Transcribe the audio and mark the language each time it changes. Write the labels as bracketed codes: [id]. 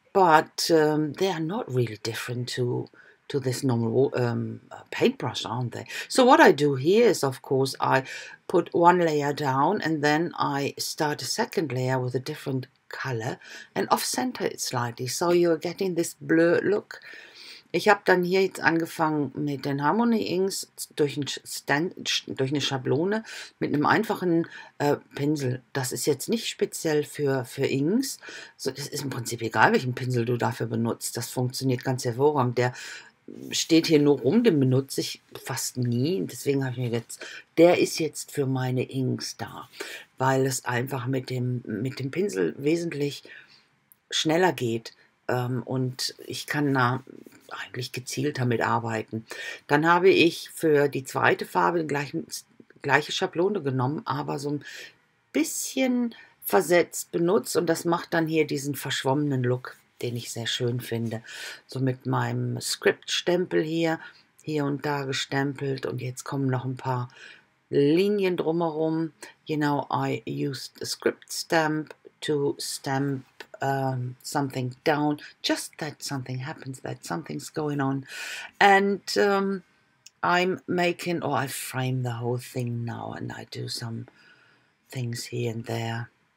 [en] But they are not really different to this normal paintbrush, aren't they? So what I do here is, of course, I put one layer down and then I start a second layer with a different color and off-center it slightly. So you're getting this blurred look. [de] Ich habe dann hier jetzt angefangen mit den Harmony Inks durch eine Schablone mit einem einfachen Pinsel. Das ist jetzt nicht speziell für Inks. So, es ist im Prinzip egal, welchen Pinsel du dafür benutzt. Das funktioniert ganz hervorragend. Der steht hier nur rum, den benutze ich fast nie. Deswegen habe ich mir jetzt, der ist jetzt für meine Inks da, weil es einfach mit dem Pinsel wesentlich schneller geht. Und ich kann da eigentlich gezielt damit arbeiten. Dann habe ich für die zweite Farbe die gleiche Schablone genommen, aber so ein bisschen versetzt benutzt. Und das macht dann hier diesen verschwommenen Look, den ich sehr schön finde. So mit meinem Script-Stempel hier und da gestempelt. Und jetzt kommen noch ein paar Linien drumherum. [en] You know, I used a script stamp to stamp something down, just that something happens, that something's going on. And I'm making, or I frame the whole thing now, and I do some things here and there.